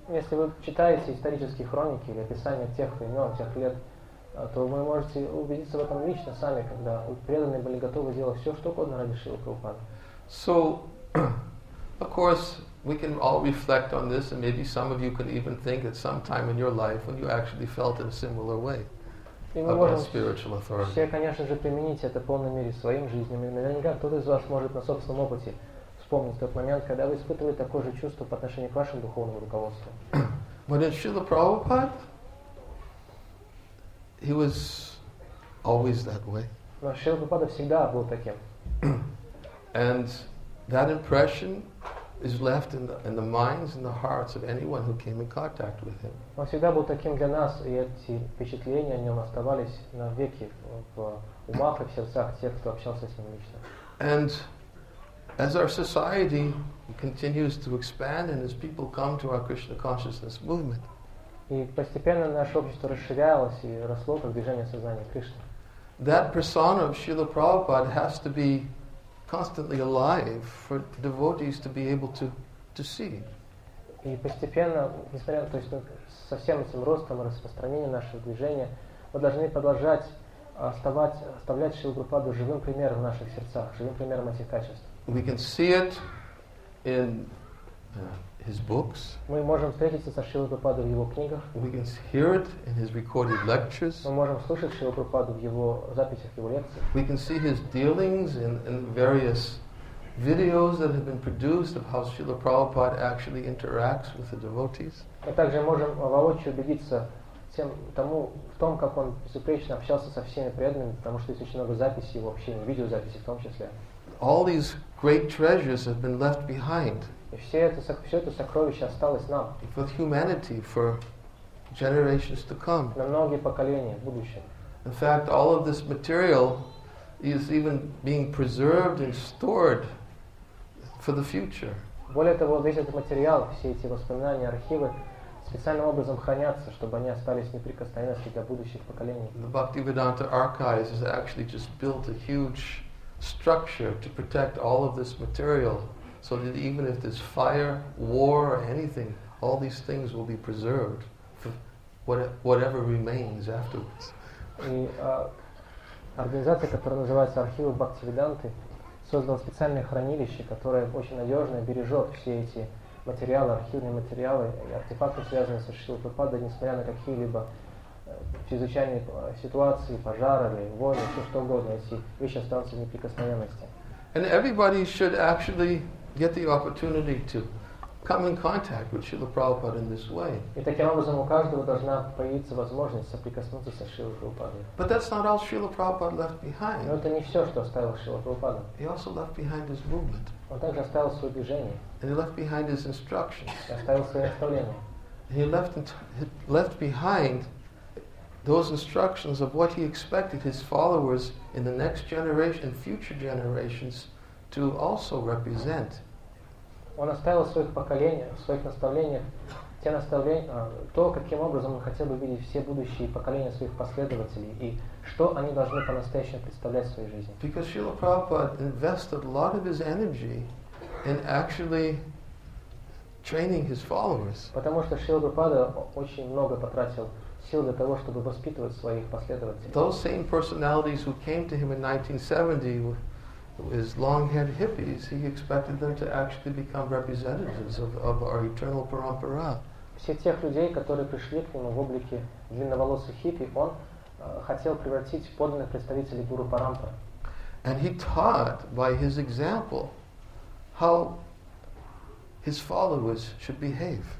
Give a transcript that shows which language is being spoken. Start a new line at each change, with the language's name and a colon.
Russian: Если вы читаете исторические хроники или описания тех времен, тех лет, то вы можете убедиться в этом лично сами, когда преданные были готовы делать все, что угодно ради Шрилы Прабхупады.
English: So, of course, we can all reflect on this, and maybe some of you can even think at some time in your life when you actually felt in a similar way.
Russian: И мы можем все, конечно же, применить это в полной мере своим жизням. И наверняка кто-то из вас может на собственном опыте вспомнить тот момент, когда вы испытывали такое же чувство по отношению к вашему духовному руководству.
English: But in Srila Prabhupada, he was always that way.
Russian: Но Шрила Прабхупада всегда был таким.
English: And that impression is left in the minds and the hearts of anyone who came in contact with him.
Russian: Он всегда был таким для нас, и эти впечатления о нем оставались навеки в умах и в сердцах тех, кто общался с ним лично.
English: And as our society continues to expand and as people come to our Krishna consciousness movement,
Russian: и постепенно наше общество расширялось и росло как движение сознания Кришны,
English: that persona of Srila Prabhupada has to be constantly alive for devotees to be able to see.
Russian: И постепенно, несмотря на то, что со всем этим ростом и распространением нашего движения, мы должны продолжать оставлять Шрилу Прабхупаду живым примером в наших сердцах, живым примером этих качеств.
English: We can see it in his books.
Russian: Мы можем встретиться со Шрилой Прабхупадой в его книгах.
English: We can hear it in his recorded lectures.
Russian: Мы можем слышать Шрилу Прабхупаду в его записях, в его лекциях.
English: We can see his dealings in various videos that have been produced of how Srila Prabhupada actually interacts with the devotees.
Russian: Мы также можем воочию убедиться в том, как он безупречно общался со всеми преданными, потому что есть очень много записей его общения, видеозаписей в том числе.
English: All these great treasures have been left behind.
Russian: И все это сокровище осталось нам.
English: For humanity, for generations to come.
Russian: На многие поколения в будущем.
English: In fact, all of this material is even being preserved and stored for the future.
Russian: Более того, весь этот материал, все эти воспоминания, архивы специальным образом хранятся, чтобы они остались неприкосновенности для будущих поколений.
English: The Bhaktivedanta Archives has actually just built a huge structure to protect all of this material. So that even if there's fire, war, or anything, all these things will be preserved for whatever remains afterwards.
Russian: И организация, которая называется Архивы Бхактивиданты, создала специальное хранилище, которое очень надежно бережет все эти материалы, архивные материалы и артефакты, связанные с Шрилой Прабхупадой, несмотря на какие-либо чрезвычайные ситуации, пожары или войны, все что угодно, эти вещи останутся в неприкосновенности.
English: And everybody should actually get the opportunity to come in contact with Srila Prabhupada in this way.
Russian: И таким образом у каждого должна появиться возможность соприкоснуться со Шрилой Прабхупадой.
English: But that's not all Srila Prabhupada left behind.
Russian: Но это не все, что оставил Шрила Прабхупада.
English: He also left behind his movement.
Russian: Он также оставил свое движение.
English: And he left behind his instructions.
Russian: И оставил свои наставления.
English: He left behind those instructions of what he expected his followers in the next generation and future generations to also represent.
Russian: Он оставил своих поколений, своих наставлений, те наставления, то, каким образом он хотел бы видеть все будущие поколения своих последователей и что они должны по-настоящему представлять в своей жизни.
English: Because Srila Prabhupada invested a lot of his energy in actually training his followers.
Russian: Потому что Шрила Прабхупада очень много потратил сил для того, чтобы воспитывать своих последователей.
English: Those same personalities who came to him in 1970 as long-haired hippies, he expected them to actually become representatives of our eternal parampara.
Russian: Все тех людей, которые пришли к нему в облике длинноволосых хиппи, он хотел превратить в подлинных представителей гуру парампара.
English: And he taught by his example how his followers should behave.